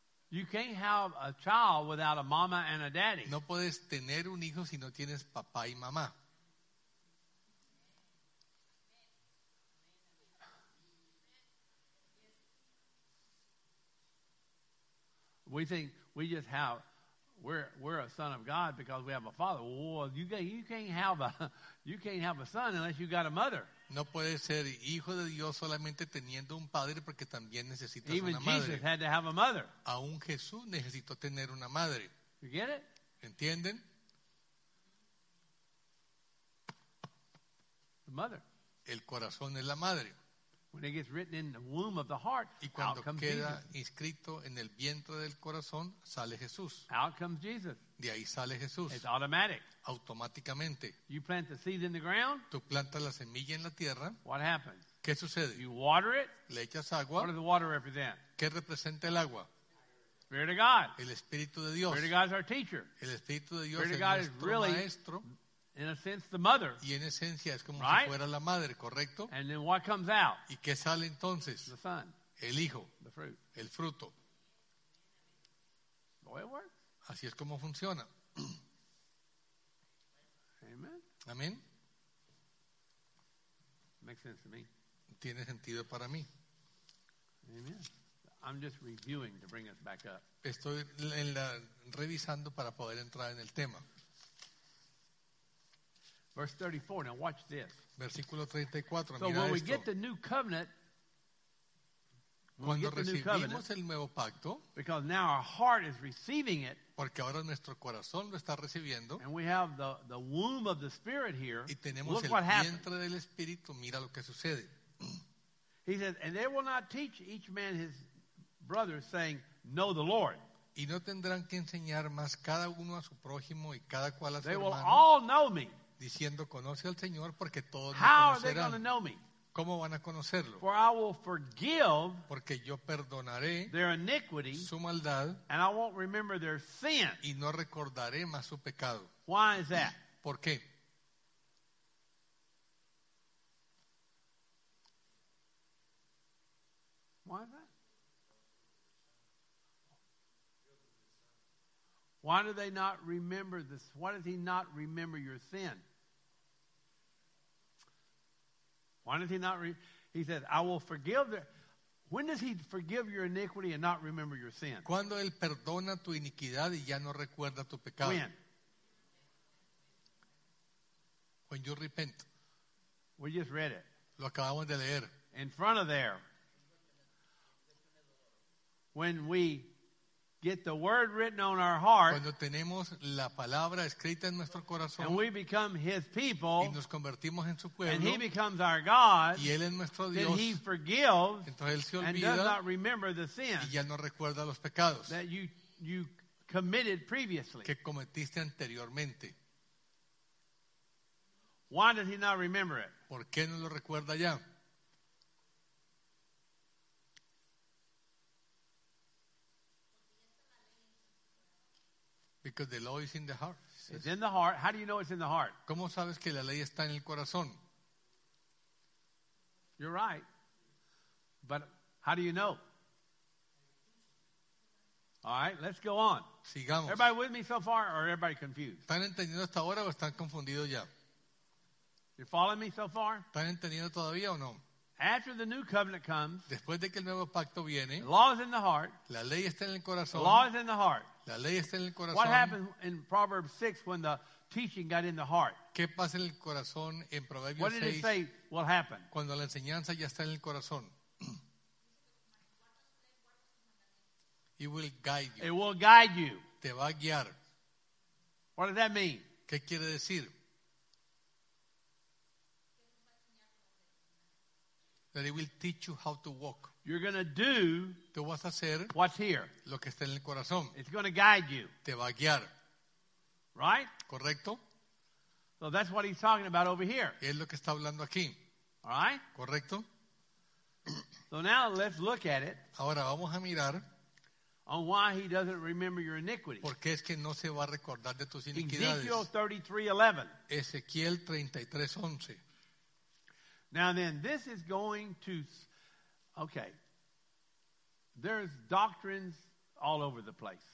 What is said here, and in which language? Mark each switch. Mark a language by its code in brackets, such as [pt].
[en] You can't have a child without a mama and a daddy. [es] No puedes tener un hijo si no tienes papá y mamá. [en] We think we just have. We're a son of God because we have a father. Well, you can't have a son unless you got a mother. [es] No puede ser hijo de Dios solamente teniendo un padre porque también necesitas una madre. [en] Even Jesus had to have a mother. [es] Aún Jesús necesitó tener una madre. [en] You get it? [es] ¿Entienden? [en] The mother. [es] El corazón es la madre. [en] When it gets written in the womb of the heart, [es] y cuando [en] out comes [es] queda [en] Jesus. [es] Inscrito en el vientre del corazón, sale Jesús. [en] Out comes Jesus. [es] De ahí sale Jesús. [en] It's automatic. [es] Automáticamente. [en] You plant the seed in the ground. [es] Tú plantas la semilla en la tierra. [en] What happens? [es] ¿Qué sucede? [en] You water it. [es] Le echas agua. [en] What does the water represent? [es] ¿Qué representa el agua? [en] Spirit of God. [es] El Espíritu de Dios. [en] Spirit of God is our teacher. [es] El Espíritu de Dios [en] Spirit of God [es] nuestro [en] is really [es] maestro. [en] In a sense, the mother. [es] Y en esencia es como [en] right? [es] Si fuera la madre, ¿correcto? [en] And then what comes out? [es] ¿Y qué sale entonces? [en] The son. [es] El hijo. [en] The fruit. [es] El fruto. [en] Boy, it works. [es] Así es como funciona. [en] Amen. [es] Amén. [en] Makes sense to me. [es] Tiene sentido para mí. [en] Amen. I'm just reviewing to bring us back up. [es] Estoy revisando para poder entrar en el tema. [en] Verse 34. Now watch this. [es] Versículo 34. [en] So [es] mira [en] when We get the new covenant, [es] cuando recibimos el nuevo pacto, [en] because now our heart is receiving it, [es] porque ahora nuestro corazón lo está recibiendo, [en] and we have the womb of the Spirit here. [es] Y tenemos el vientre del Espíritu. Mira lo que sucede. [en] He says, and they will not teach each man his brother, saying, "Know the Lord." [es] Y no tendrán que enseñar más cada uno a su prójimo y cada cual a su hermano. [en] They will all know me. [es] Diciendo, conoce al Señor, porque todos [en] How [es] me conocerán. [en] Are they know me? [es] ¿Cómo van a conocerlo? [en] For I will forgive [es] porque yo perdonaré [en] their iniquity, [es] su maldad, [en] and I won't remember their sin. [es] Y no recordaré más su pecado. [en] Why is that? [es] ¿Por qué? [en] Why do they not remember this? Why does he not remember your sin? Why does he not he says, I will forgive the when does he forgive your iniquity and not remember your sin? [es] Cuando él perdona tu iniquidad y ya no recuerda tu pecado. [en] When? When you repent. We just read it. [es] Lo acabamos de leer. [en] In front of there. When we get the word written on our heart, [es] cuando tenemos la palabra escrita en nuestro corazón, [en] and we become his people, [es] y nos convertimos en su pueblo, [en] and he becomes our God, [es] y él es nuestro Dios, [en] then he forgives, [es] entonces él se olvida, [en] and does not remember the sin, [es] y ya no recuerda los pecados, [en] that you committed previously, [es] que cometiste anteriormente. [en] Why does he not remember it? [es] ¿Por qué no lo recuerda ya? [en] Because the law is in the heart. It's in the heart. How do you know it's in the heart? [es] ¿Cómo sabes que la ley está en el corazón? [en] You're right. But how do you know? All right, let's go on. [es] Sigamos. [en] Everybody with me so far or everybody confused? [es] ¿Están entendiendo hasta ahora o están confundidos ya? [en] You following me so far? [es] ¿Están entendiendo todavía o no? [en] After the new covenant comes, [es] después de que el nuevo pacto viene, [en] the law is in the heart. [es] La ley está en el corazón. [en] The law is in the heart. [es] La ley está en el corazón. [en] What happened in Proverbs 6 when the teaching got in the heart? [es] ¿Qué pasa en el corazón en Proverbios 6? [en] What did it say will happen? [es] Cuando la enseñanza ya está en el corazón. [en] It will guide you. It will guide you. [es] Te va a guiar. [en] What does that mean? [es] ¿Qué quiere decir? [en] That it will teach you how to walk. You're going to do [es] tú vas a hacer [en] what's here. [es] Lo que está en el corazón. [en] It's going to guide you. [es] Te va a guiar. [en] Right? [es] Correcto. [en] So that's what he's talking about over here. [es] Es lo que está hablando aquí. [en] All right? [es] Correcto. [en] So now let's look at it. [es] Ahora vamos a mirar [en] on why he doesn't remember your iniquity. [es] Porque es que no se va a recordar de tus iniquidades. [en] Ezekiel 33:11. Now then, this is going to, okay, there's doctrines all over the place.